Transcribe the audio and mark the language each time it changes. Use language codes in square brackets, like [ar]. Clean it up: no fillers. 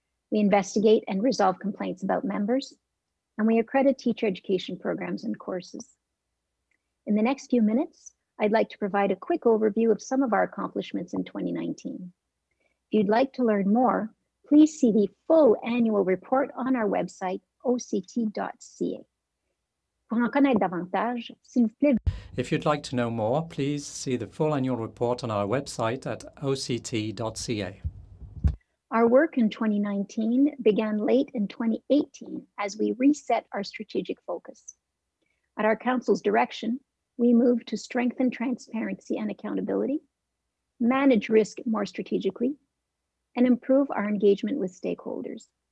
[en] We investigate and resolve complaints about members, and we accredit teacher education programs and courses. In the next few minutes, I'd like to provide a quick overview of some of our accomplishments in 2019. If you'd like to learn more, please see the full annual report on our website, oct.ca. [fr] Pour en connaître davantage, s'il vous plaît. [en] If you'd like to know more, please see the full annual report on our website at oct.ca. Our work in 2019 began late in 2018 as we reset our strategic focus. At our council's direction, we moved to strengthen transparency and accountability, manage risk more strategically, and improve our engagement with stakeholders.